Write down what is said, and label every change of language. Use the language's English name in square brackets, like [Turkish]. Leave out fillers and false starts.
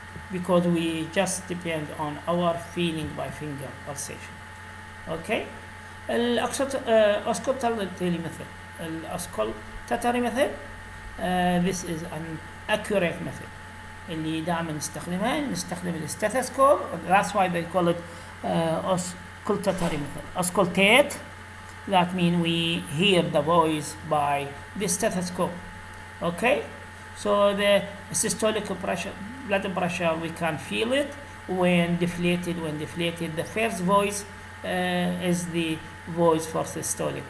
[English] Because we just depend on our feeling by finger pulsation. Okay? الأوسكولتاتوري method. الأوسكولتاتوري method. This is an accurate method. [Arabic] اللي دائما نستخدمها نستخدم الاستيثوسكوب. [English] That's why they call it auscultatory method. Auscultate, that mean we hear the voice by the stethoscope. Okay, so the systolic pressure, blood pressure, we can feel it when deflated. When deflated, the first voice is the voice for systolic.